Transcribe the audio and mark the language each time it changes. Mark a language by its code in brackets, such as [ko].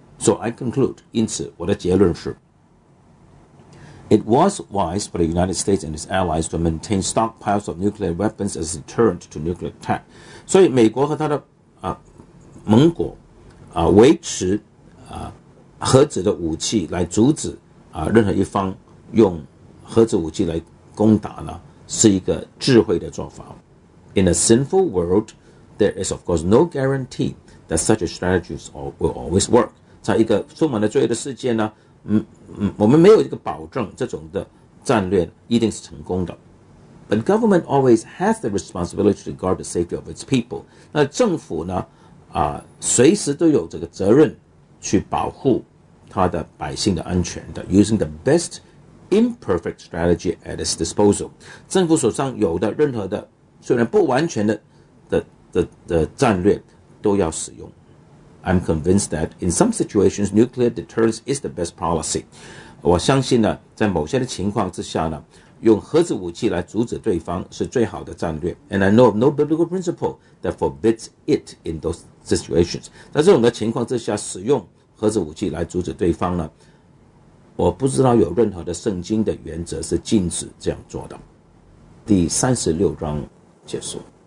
[en] So I conclude, [zh] 因此我的结论是 [en] It was wise for the United States and its allies to maintain stockpiles of nuclear weapons as a deterrent to nuclear attack. [zh] 所以美国和他的盟国维持核子的武器来阻止任何一方用核子武器来攻打呢，是一个智慧的做法。 [en] In a sinful world, there is of course no guarantee that such a strategy will always work. [zh] 在一个充满了罪的世界呢，我们没有一个保证这种的战略一定是成功的。 [en] But government always has the responsibility to guard the safety of its people. [zh] 那政府呢，随时都有这个责任去保护他的百姓的安全的。 [en] Using the best imperfect strategy at its disposal. [zh] 政府手上有的任何的虽然不完全的战略都要使用。 [en] I'm convinced that in some situations, nuclear deterrence is the best policy. [zh] 我相信呢，在某些的情况之下呢，用核子武器来阻止对方是最好的战略。 [en] And I know of no biblical principle that forbids it in those situations. [zh] 在这种的情况之下，使用核子武器来阻止对方呢，我不知道有任何的圣经的原则是禁止这样做的。第36章结束。